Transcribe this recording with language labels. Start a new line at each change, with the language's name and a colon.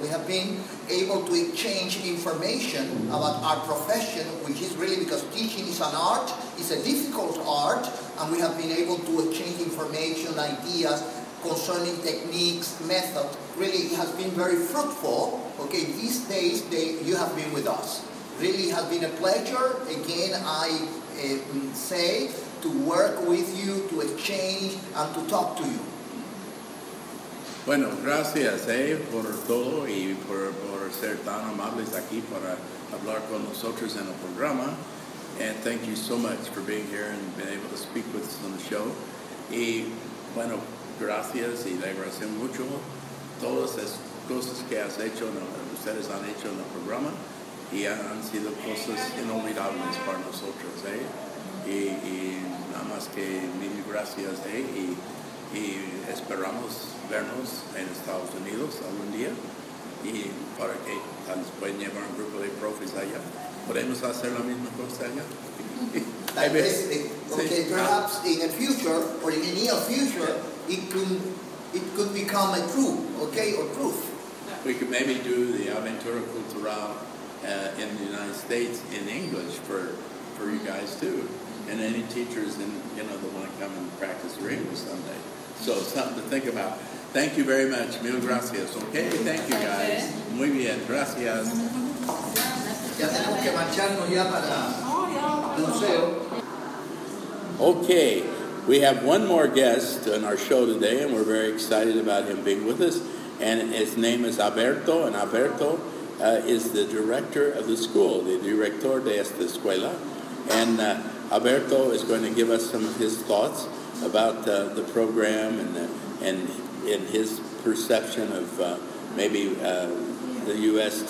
English: We have been able to exchange information about our profession, which is really, because teaching is an art, it's a difficult art, and we have been able to exchange information, ideas concerning techniques, methods. Really has been very fruitful, okay, these days that you have been with us. Really has been a pleasure, again, I say, to work with you, to exchange, and to talk to you.
Spanish: Bueno, gracias, por todo y por ser tan amables aquí para hablar con nosotros en el programa.
English: And thank you so much for being here and being able to speak with us on the show.
Spanish: Y bueno, gracias y le agradecemos mucho todas las cosas que has hecho, ustedes han hecho en el programa, y han sido cosas inolvidables para nosotros, ¿eh? Y nada más que mil gracias, ¿eh? Y esperamos vernos en Estados Unidos algún día, y para que tal vez puedan llevar un grupo de profes allá. ¿Podemos hacer la misma cosa allá? Tal vez, okay, sí.
English: Perhaps in the future, or in the near future, yeah. it could become a true, okay, or proof. We could maybe do the Aventura Cultural in the United States in English for you guys too. And any teachers in, you know, that want to come and practice your English someday. So something to think about. Thank you very much.
Spanish: Mil gracias.
English: Okay, thank you guys.
Spanish: Muy bien, gracias. Ya tenemos que marcharnos ya para el museo.
English: Okay, we have one more guest on our show today, and we're very excited about him being with us. And his name is Alberto, and Alberto is the director of the school, the director
Spanish: de esta escuela.
English: And Alberto is going to give us some of his thoughts about the program and his perception of maybe the U.S.